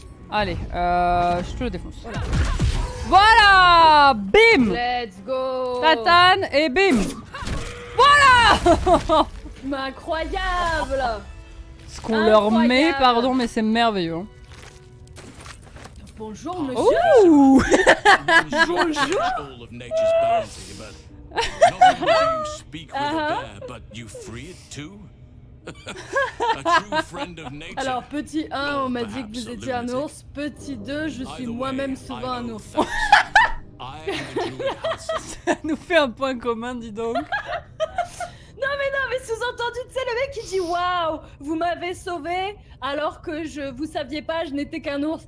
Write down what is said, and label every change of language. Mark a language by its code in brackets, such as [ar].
[fr] Allez, je te le défonce. Voilà. Voilà. Bim. [en] Let's go. [fr] Tatan et bim. Voilà. Incroyable. Ce qu'on leur met, pardon, mais c'est merveilleux. Bonjour monsieur. Ouh. Bonjour. [en] Not only do you speak with a bear, but you free it too. A true friend of nature. [fr] Alors, petit 1, on m'a dit que vous étiez un ours. Petit 2, je suis moi-même souvent un ours. Ça nous fait un point commun, dis donc. Non mais sous-entendu, tu sais, le mec qui dit waouh, vous m'avez sauvé alors que je vous saviez pas, je n'étais qu'un ours.